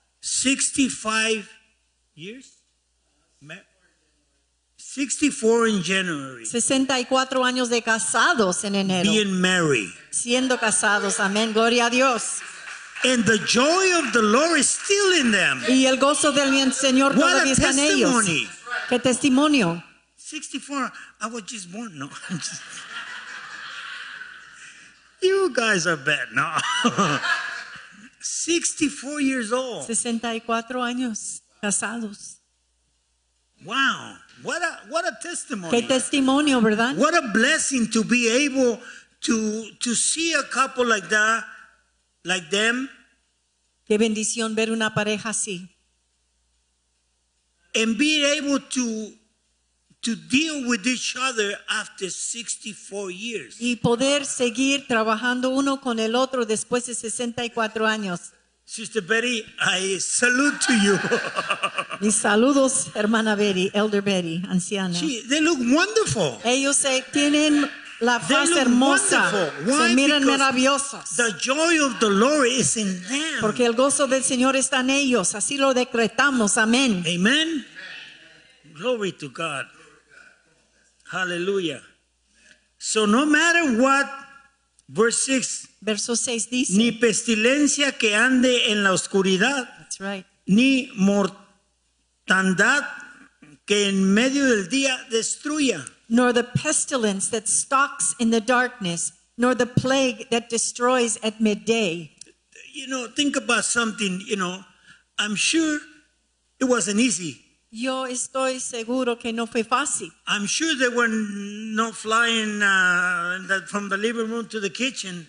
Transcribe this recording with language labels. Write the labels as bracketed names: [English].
[English] 65 years? 64 in January. [Spanish] 64 años de casados en enero. [English] Being married. [Spanish] Siendo casados, amén, gloria a Dios. [English] And the joy of the Lord is still in them. [Spanish] Y el gozo del Señor todavía está en ellos. [English] What a testimony. [Spanish] ¿Qué testimonio? [English] 64, I was just born. No. You guys are bad, no. 64 years old. [Spanish] 64 años casados. [English] Wow. What a testimony. [Spanish] ¿Qué testimonio, verdad? [English] What a blessing to be able to see a couple like that, like them. [Spanish] Qué bendición ver una pareja así. [English] And be able to deal with each other after 64 years. [Spanish] Y poder seguir trabajando uno con el otro después de 64 años. [English] Sister Betty, I salute to you. [Spanish] Mis saludos, hermana Betty, Elder Betty, anciana. [English] They look wonderful. [Spanish] Ellos se tienen la faz hermosa. [English] Why? [Spanish] Se miran [English] because [Spanish] maravillosos. [English] The joy of the Lord is in them. [Spanish] Porque el gozo del Señor está en ellos. Así lo decretamos. Amén. [English] Amen. Glory to God. Hallelujah. So no matter what, [Spanish] verso 6 dice, ni pestilencia que ande en la oscuridad, [English] that's right, [Spanish] ni mortandad que en medio del día destruya, [English] nor the pestilence that stalks in the darkness, nor the plague that destroys at midday. You know, think about something, you know, I'm sure it wasn't easy. [Spanish] Yo estoy seguro que no fue fácil. [English] I'm sure they were not flying from the living room to the kitchen.